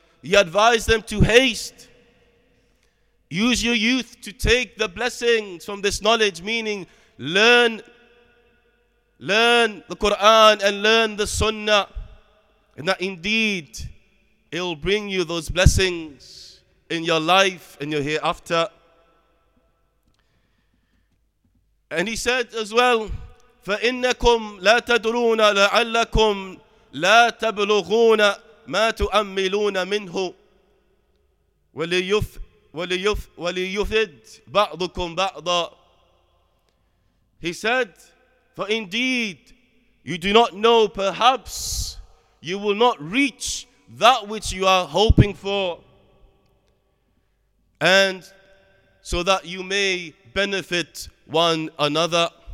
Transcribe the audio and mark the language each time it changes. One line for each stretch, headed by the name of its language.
English: He advised them to haste. Use your youth to take the blessings from this knowledge, meaning learn the Quran and learn the sunnah, and that indeed it will bring you those blessings in your life and your hereafter. And he said as well,
Arabic: فَإِنَّكُمْ لَا تَدْرُونَ لَعَلَّكُمْ لَا تَبْلُغُونَ مَا تُؤَمِّلُونَ مِنْهُ وَلِيُفِدْ بَعْضُكُمْ بَعْضًا.
English: He said, for indeed, you do not know, perhaps you will not reach that which you are hoping for, and so that you may benefit one another.